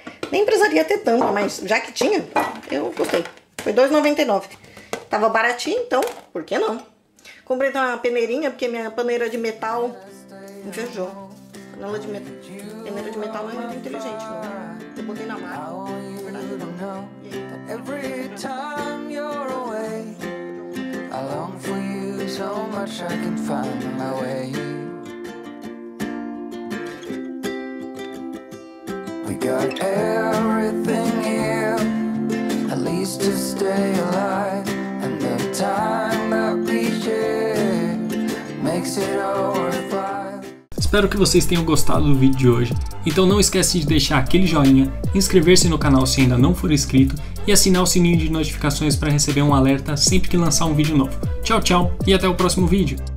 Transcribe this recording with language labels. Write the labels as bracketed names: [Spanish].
[Portuguese] Nem precisaria ter tanto, mas já que tinha, eu gostei. Foi R$2,99. Tava baratinho, então, por que não? Comprei uma peneirinha, porque minha paneira de metal... Invejou. Panela de metal. Peneira de metal não é muito inteligente, não. Eu botei na marca. Na verdade, não. E aí, tá bom. [English] I long for you so much I can find my way. Got everything here, at least to stay alive, and the time that we share makes it all worthwhile. [Portuguese] Espero que vocês tenham gostado do vídeo de hoje. Então não esquece de deixar aquele joinha, inscrever-se no canal se ainda não for inscrito e assinar o sininho de notificações para receber um alerta sempre que lançar um vídeo novo. Tchau, tchau e até o próximo vídeo!